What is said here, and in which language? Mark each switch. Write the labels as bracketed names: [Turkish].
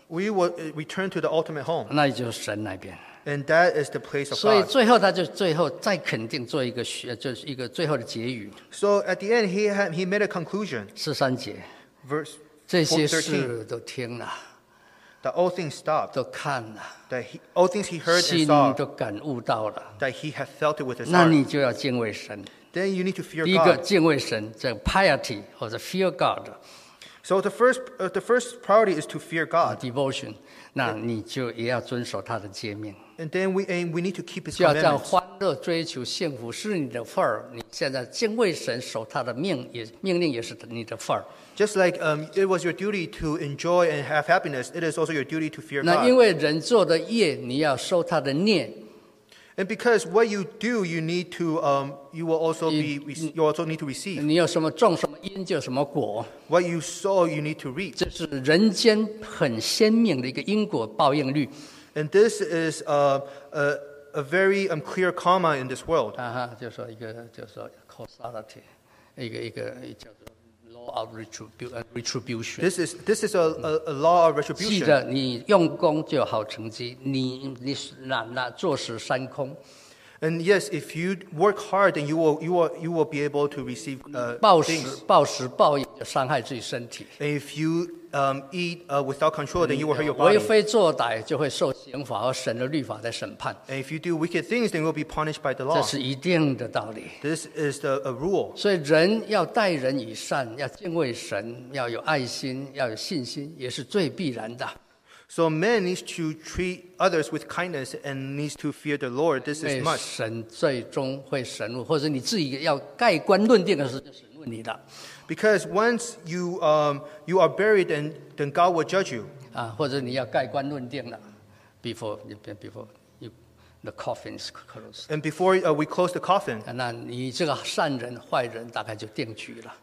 [English] We will return to the ultimate home. [Chinese] 那就是神那边。 [English] And that is the place of God. [Chinese] 所以最后他就最后再肯定做一个学，就是一个最后的结语。 [English] So at the end, he made a conclusion. [Chinese] 十三节 [English] ，verse 13, [Chinese] 这些事都听了 [English] ，that all things stopped. [Chinese] 都看了 [English] ，that all things he heard and saw. [Chinese] 心都感悟到了 [English] ，that he had felt it with his [Chinese] 那你就要敬畏神。 [English] Then you need to fear God. [Chinese] 第一个敬畏神，这个 piety 或者 [English] fear God. So the first priority is to fear God. Devotion. [Chinese] 那你就也要遵守他的诫命。 [English] And then we need to keep his [Chinese] 就要这样欢乐追求幸福是你的份儿。你现在敬畏神，守他的命令也是你的份儿。 [English] Just like it was your duty to enjoy and have happiness, it is also your duty to fear God. [Chinese] 那因为人做的业，你要受他的孽。 [English] And because what you do, you need to, you will also be, you also need to receive. [Chinese] 你有什么种什么因，就什么果。 [English] What you sow, you need to reap. [Chinese] 这是人间很鲜明的一个因果报应律。 [English] And this is a very clear karma in this world. [Chinese] 啊哈，就说一个，就说 [English] causality， [Chinese] 一个叫做 [English] law of retribution. This is a law of retribution. [Chinese] 记得你用功就有好成绩，你那坐实三空。 [English] And yes, if you work hard, then you will be able to receive things. [Chinese] 暴食暴饮伤害自己身体。 [English] And if you eat without control, then you will hurt your body. [Chinese] 为非作歹就会受刑罚和神的律法的审判。 [English] And if you do wicked things, then you will be punished by the law. [Chinese] 这是一定的道理。 [English] This is a rule. [Chinese] 所以人要待人以善，要敬畏神，要有爱心，要有信心，也是最必然的。 [English] So man needs to treat others with kindness and needs to fear the Lord. This is much. [Chinese] 神最终会审问，或者你自己要盖棺论定的时候就审问你的。 [English] Because once you are buried, then God will judge you. [Chinese] 啊，或者你要盖棺论定了 ， [English] before you, the coffin is closed. And before we close the coffin. [Chinese] 那你这个善人坏人大概就定局了。